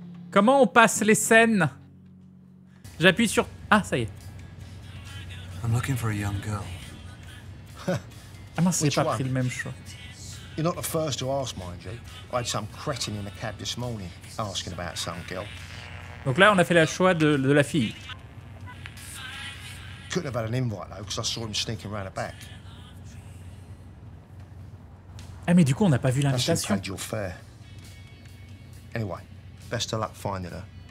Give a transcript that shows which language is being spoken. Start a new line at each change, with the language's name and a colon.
French: Comment on passe les scènes ? J'appuie sur... Ah, ça y est.
English: I'm looking for a young girl.
French: Ah non, c'est pas pris le même choix.
English: You're not the first to ask, mind you. I had some cretin in the cab this morning asking about some girl.
French: Donc là, on a fait le choix de la fille.
English: Couldn't have had an invite though, because I saw him sneaking around the back.
French: Ah mais du coup, on n'a pas vu l'invitation.
English: Anyway, best of luck finding her.